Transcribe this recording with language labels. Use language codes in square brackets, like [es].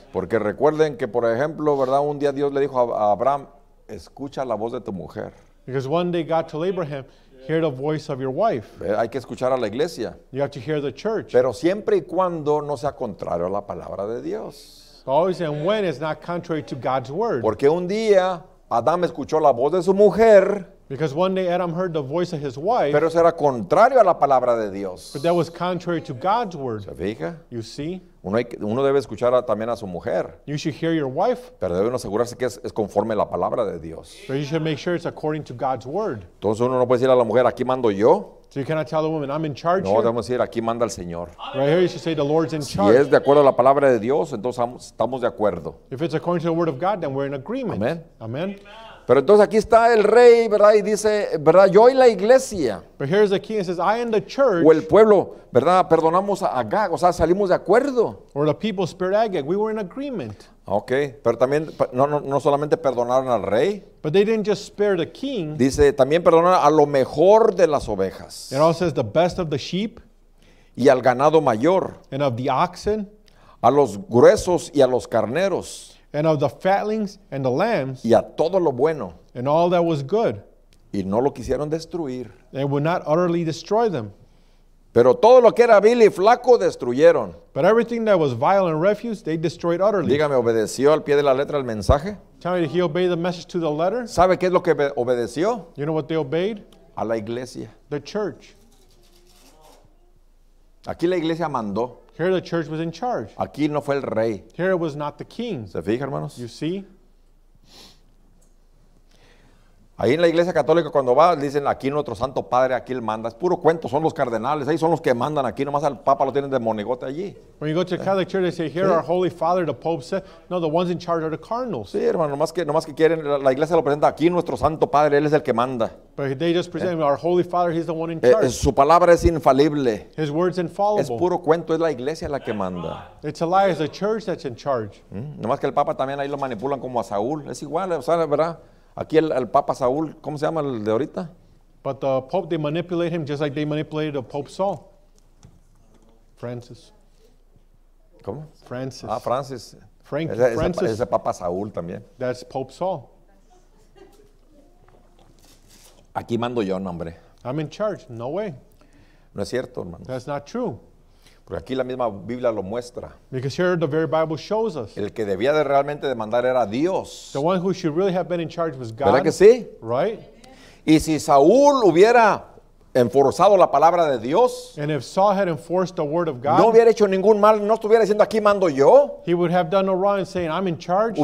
[es] Porque recuerden que, por ejemplo, ¿verdad? Un día Dios le dijo a Abraham, escucha la voz de tu mujer. [en] Because one day God told Abraham, hear the voice of your wife. [es] Hay que escuchar a la iglesia. [en] You have to hear the church. [es] Pero siempre y cuando no sea contrario a la palabra de Dios. [en] Always and when it's not contrary to God's word. [es] Porque un día Adam escuchó la voz de su mujer. [en] Because one day Adam heard the voice of his wife. [es] Pero eso era contrario a la palabra de Dios. [en] But that was contrary to God's word. [es] ¿Se fija? [en] You see? [es] Uno debe escuchar también a su mujer. [en] You should hear your wife. [es] Pero debe uno asegurarse que es conforme a la palabra de Dios. [en] But you should make sure it's according to God's word. [es] Entonces uno no puede decir a la mujer, aquí mando yo. [en] So you cannot tell the woman, I'm in charge. [es] No, debemos decir, aquí manda el Señor. [en] Right here you should say, the Lord's in charge. [es] Si es de acuerdo a la palabra de Dios, entonces estamos de acuerdo. [en] If it's according to the word of God, then we're in agreement. [es] Amen. [en] Amen. [es] Pero entonces aquí está el rey, ¿verdad? Y dice, ¿verdad? Yo y la iglesia. [en] But here's the king, it says, I and the church. [es] O el pueblo, ¿verdad? Perdonamos a Agag, o sea, salimos de acuerdo. [en] Or the people spared Agag, we were in agreement. [es] Okay, pero también, no solamente perdonaron al rey. [en] But they didn't just spare the king. [es] Dice, también perdonaron a lo mejor de las ovejas. [en] It also says the best of the sheep. [es] Y al ganado mayor. [en] And of the oxen. [es] A los gruesos y a los carneros. [en] And of the fatlings and the lambs. [es] Y a todo lo bueno. [en] And all that was good. [es] Y no lo quisieron destruir. [en] They would not utterly destroy them. [es] Pero todo lo que era vil y flaco destruyeron. [en] But everything that was vile and refuse, they destroyed utterly. [es] Dígame, ¿obedeció al pie de la letra el mensaje? [en] Tell me, did he obey the message to the letter? [es] ¿Sabe qué es lo que obedeció? [en] You know what they obeyed? [es] A la iglesia. [en] The church. [es] Aquí la iglesia mandó. [en] Here the church was in charge. [es] Aquí no fue el rey. [en] Here it was not the king. [es] ¿Se fija, hermanos? [en] You see? [es] Ahí en la iglesia católica cuando va, dicen, aquí nuestro santo padre, aquí él manda. Es puro cuento, son los cardenales. Ahí son los que mandan aquí. Nomás al papa lo tienen de monigote allí. [en] When you go to the Catholic church, they say, here our holy father, the pope said. No, the ones in charge are the cardinals. [es] Sí, hermano, nomás que quieren, la iglesia lo presenta, aquí nuestro santo padre, él es el que manda. [en] But they just present our holy father, he's the one in charge. [es] Su palabra es infalible. [en] His word's infallible. [es] Es puro cuento, es la iglesia la que manda. [en] It's a lie, it's the church that's in charge. [es] Nomás que el papa también ahí lo manipulan como a Saúl. Es igual, o sea, ¿verdad? Aquí el Papa Saúl, ¿cómo se llama el de ahorita? [en] But the Pope, they manipulate him just like they manipulated the Pope Saul. Francis. [es] ¿Cómo? [en] Francis. [es] Ah, Francis. [en] Frank, [es] Francis. Ese Papa Saúl también. [en] That's Pope Saul. [es] Aquí mando yo, hombre. [en] I'm in charge. No way. [es] No es cierto, hermano. [en] That's not true. [es] Porque aquí la misma Biblia lo muestra. [en] Because here the very Bible shows us. [es] El que debía de realmente de mandar era Dios. [en] The one who should really have been in charge was God. [es] ¿Verdad que sí? [en] Right? [es] Y si Saúl hubiera enforzado la palabra de Dios. [en] And if Saul had enforced the word of God. [es] No hubiera hecho ningún mal. No estuviera diciendo aquí mando yo. [en] He would have done no wrong saying I'm in charge.